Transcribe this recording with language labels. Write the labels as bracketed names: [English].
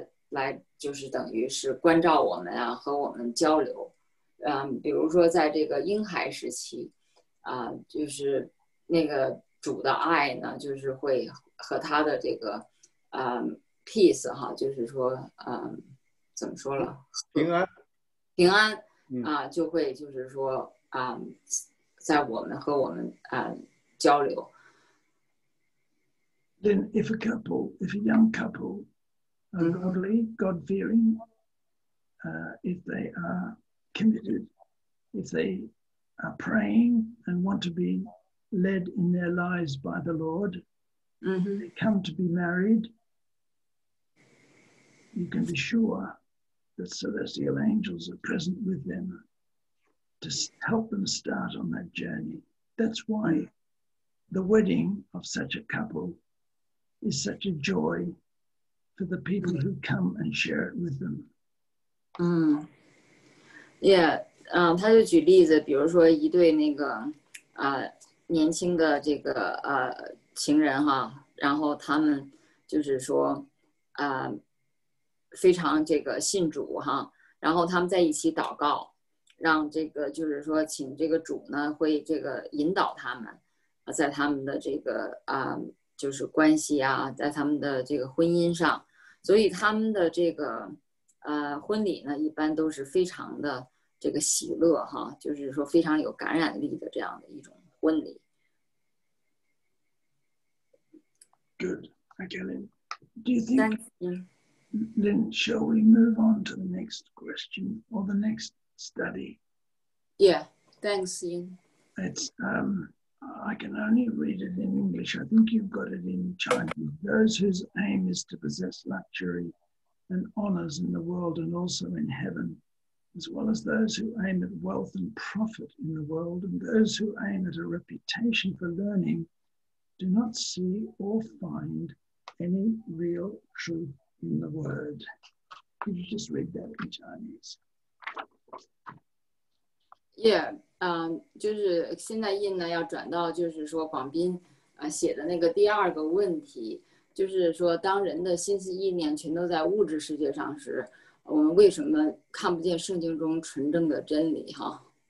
[Chinese] 来就是等于是关照我们啊和我们交流，嗯，比如说在这个婴孩时期啊，就是那个主的爱呢就是会和他的这个peace 哈，就是说怎么说了，平安啊，就会就是说在我们和我们交流。 [English] Then if a young couple, are godly, God-fearing, if they are committed, if they are praying and want to be led in their lives by the Lord, mm-hmm. they come to be married, you can be sure that celestial angels are present with them to help them start on that journey. That's why the wedding of such a couple is such a joy for the people who come and share it with them. Mm. [Chinese] Yeah, 他就举例子，比如说一对那个年轻的这个情人哈，然后他们就是说非常这个信主哈，然后他们在一起祷告，让这个就是说请这个主呢会这个引导他们在他们的这个就是关系啊，在他们的这个婚姻上，所以他们的这个婚礼呢一般都是非常的这个喜乐哈，就是说非常有感染力的这样的一种婚礼。 [English] Good, thank you, Lynn. Do you think, Lynn, shall we move on to the next question or the next study? Yeah, thanks, Ian. It's, I can only read it in English. I think you've got it in Chinese. Those whose aim is to possess luxury and honors in the world and also in heaven, as well as those who aim at wealth and profit in the world and those who aim at a reputation for learning, do not see or find any real truth in the word. Could you just read that in Chinese? [Chinese] Yeah, 就是现在印呢要转到就是说广斌写的那个第二个问题，就是说当人的心思意念全都在物质世界上时，我们为什么看不见圣经中纯正的真理哈？